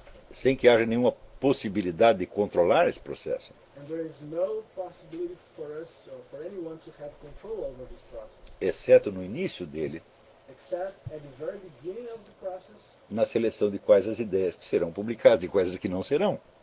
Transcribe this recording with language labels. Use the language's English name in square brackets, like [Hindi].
[Portuguese] Sem que haja nenhuma possibilidade de controlar esse processo. [English] And there is no possibility for us or for anyone to have control over this process. [Portuguese] Exceto no início dele. [English] Except at the very beginning of the process. [Portuguese] Na seleção de quais as ideias que serão publicadas e quais as que não serão.